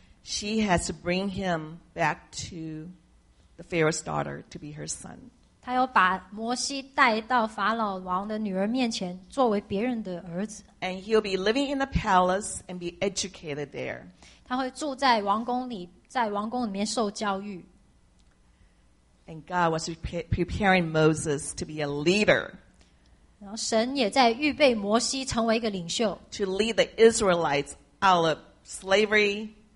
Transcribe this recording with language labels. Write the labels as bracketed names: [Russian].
[English] She has to bring him back to the Pharaoh's daughter to be her son. [Chinese] 她要把摩西带到法老王的女儿面前，作为别人的儿子。 [English] And he'll be living in the palace and be educated there. [Chinese] 她会住在王宫里，在王宫里面受教育。 [English] And God was preparing Moses to be a leader. [Chinese] 然后神也在预备摩西成为一个领袖, [English] to lead the Israelites out of slavery.